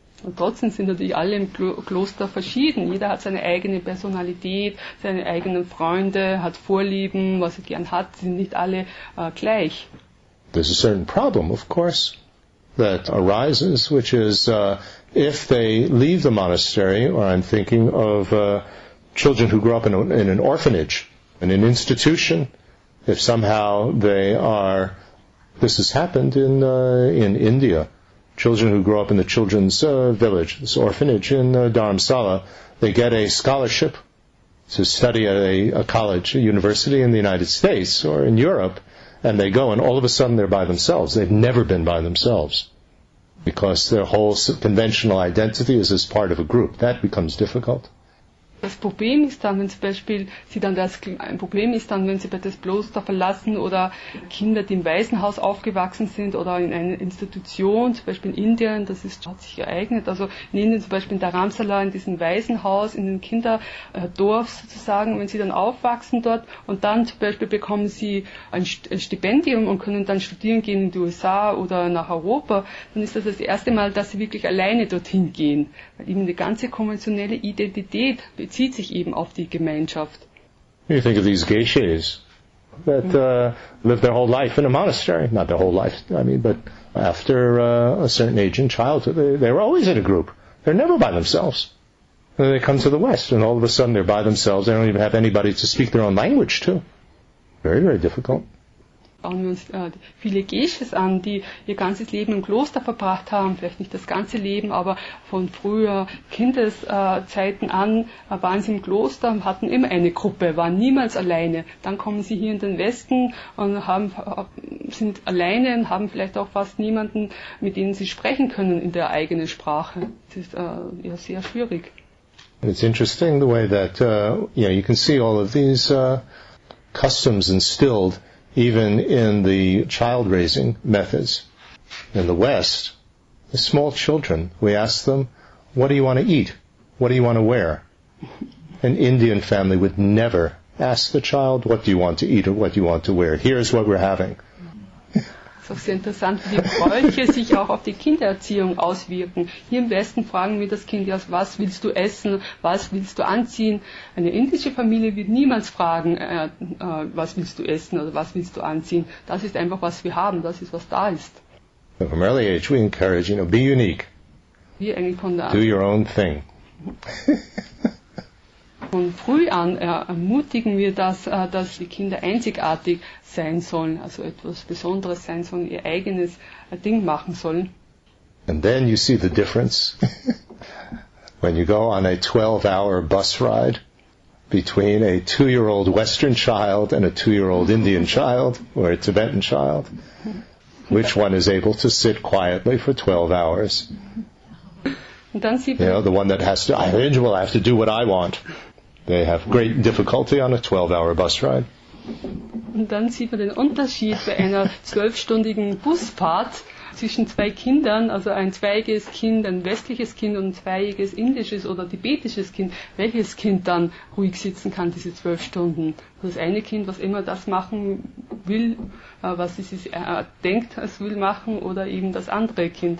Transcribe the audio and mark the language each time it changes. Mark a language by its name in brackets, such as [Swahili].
[German] Und trotzdem sind natürlich alle im Kloster verschieden. Jeder hat seine eigene Personalität, seine eigenen Freunde, hat Vorlieben, was er gern hat, sind nicht alle gleich. [English] There's a certain problem, of course, that arises, which is if they leave the monastery, or I'm thinking of children who grow up in an orphanage, in an institution, if somehow they are, this has happened in India, children who grow up in the children's village, this orphanage in Dharamsala, they get a scholarship to study at a college, a university in the United States or in Europe, and they go, and all of a sudden they're by themselves. They've never been by themselves because their whole conventional identity is as part of a group. That becomes difficult. [German] Das Problem ist dann, wenn zum Beispiel sie dann das ein Problem ist dann, wenn sie das Kloster verlassen oder Kinder, die im Waisenhaus aufgewachsen sind oder in einer Institution, zum Beispiel in Indien, das ist, hat sich ereignet. Also in Indien zum Beispiel in Dharamsala, in diesem Waisenhaus, in dem Kinderdorf sozusagen, wenn sie dann aufwachsen dort und dann zum Beispiel bekommen sie ein Stipendium und können dann studieren gehen in die USA oder nach Europa, dann ist das erste Mal, dass sie wirklich alleine dorthin gehen. Weil eben die ganze konventionelle Identität bezieht sich eben auf die Gemeinschaft. [English] You think of these geishas that live their whole life in a monastery. Not their whole life, I mean, but after a certain age in childhood, they were always in a group. They're never by themselves. And then they come to the West, and all of a sudden they're by themselves. They don't even have anybody to speak their own language to. Very, very difficult. [German] Schauen wir uns viele Geishas an, die ihr ganzes Leben im Kloster verbracht haben, vielleicht nicht das ganze Leben, aber von früher Kindeszeiten an waren sie im Kloster und hatten immer eine Gruppe, waren niemals alleine. Dann kommen sie hier in den Westen und sind alleine und haben vielleicht auch fast niemanden, mit denen sie sprechen können in der eigenen Sprache. Das ist ja sehr schwierig. [English] It's interesting the way that you can see all of these customs instilled even in the child-raising methods in the West, the small children, we ask them, what do you want to eat? What do you want to wear? An Indian family would never ask the child, what do you want to eat or what do you want to wear? Here's what we're having. [German] Es ist auch sehr interessant, wie die Bräuche sich auch auf die Kindererziehung auswirken. Hier im Westen fragen wir das Kind, was willst du essen, was willst du anziehen? Eine indische Familie wird niemals fragen, was willst du essen oder was willst du anziehen? Das ist einfach, was wir haben, das ist, was da ist. [English] From early age we encourage, be unique. [German] Wir eigentlich von der [English] Do your own thing. [German] Von früh an ermutigen wir das, dass die Kinder einzigartig sein sollen, also etwas Besonderes sein sollen, ihr eigenes Ding machen sollen. [English] And then you see the difference when you go on a 12-hour bus ride between a 2-year-old Western child and a 2-year-old Indian child or a Tibetan child. Which one is able to sit quietly for 12 hours? [German] Und dann sieht [English] The one that has to, I have to do what I want. They have great difficulty on a 12-hour bus ride. [German] Und dann sieht man den Unterschied bei einer 12-stündigen Busfahrt zwischen zwei Kindern, also ein zweijähriges Kind, ein westliches Kind und ein zweijähriges indisches oder tibetisches Kind, welches Kind dann ruhig sitzen kann, diese 12 Stunden? Das eine Kind, was immer das machen will, was es sich denkt, es will machen, oder eben das andere Kind.